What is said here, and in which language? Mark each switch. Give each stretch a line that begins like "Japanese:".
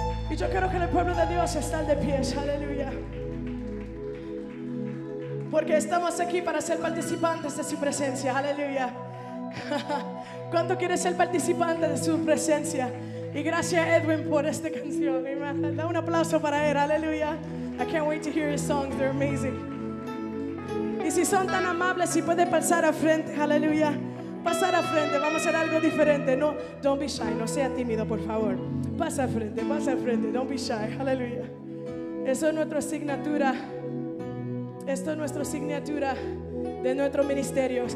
Spanish: Y yo quiero que el pueblo de Dios esté de pie, aleluya. Porque estamos aquí para ser participantes de su presencia, aleluya. ¿Cuánto quieres ser participante de su presencia? Y gracias Edwin por esta canción, da un aplauso para él, aleluya.
English: I can't wait to hear his songs, they're amazing.
Spanish: Y si son tan amables, si puede pasar al frente, aleluya. Pasar al frente, vamos a hacer algo diferente.
English: No, don't be shy,
Spanish: no sea tímido, por favor. Pasa al frente,
English: don't be shy,
Spanish: aleluya. Eso es nuestra asignatura. Esto es nuestra asignatura de nuestro ministerio.